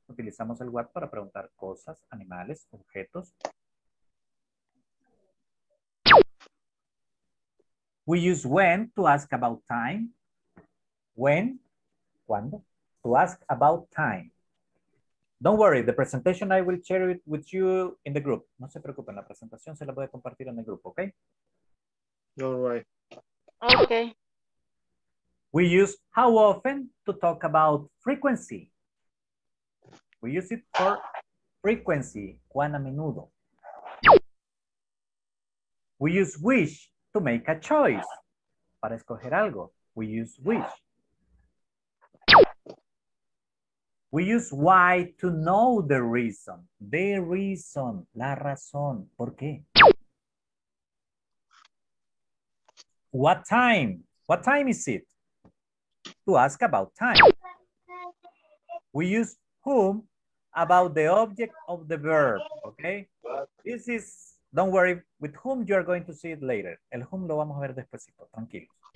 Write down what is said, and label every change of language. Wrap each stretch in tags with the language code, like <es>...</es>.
<es>Utilizamos el what para preguntar cosas, animales, objetos.</es> <en>We use when to ask about time. When, cuando, to ask about time. Don't worry, the presentation I will share it with you in the group.</en> <es>No se preocupen, la presentación se la voy a compartir en el grupo, okay?</es> <en>All right. Okay. We use how often to talk about frequency. We use it for frequency,</en> <es>cuán a menudo.</es> <en>We use wish to make a choice,</en> <es>para escoger algo.</es> <en>We use wish. We use why to know the reason,</en> <es>la razón, ¿por qué?</es> <en>What time is it? To ask about time. We use whom about the object of the verb, okay? This is, don't worry, with whom you are going to see it later.</en> <es>El whom lo vamos a ver despuesito, tranquilo.</es>